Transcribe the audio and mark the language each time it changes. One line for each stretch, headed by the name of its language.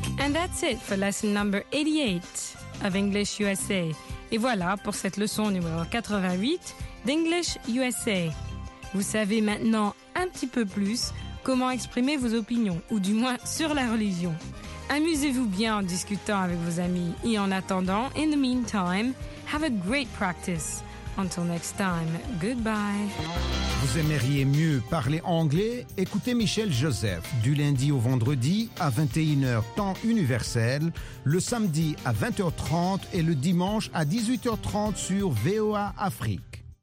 English: That's it for lesson number 88 of English USA.
French: Et voilà pour cette leçon numéro 88 d'English USA. Vous savez maintenant un petit peu plus comment exprimer vos opinions, ou du moins sur la religion. Amusez-vous bien en discutant avec vos amis. Et en attendant,
English: in the meantime, have a great practice. Until next time, goodbye.
French: Vous aimeriez mieux parler anglais? Écoutez Michel Joseph du lundi au vendredi à 21h temps universel, le samedi à 20h30 et le dimanche à 18h30 sur VOA Afrique.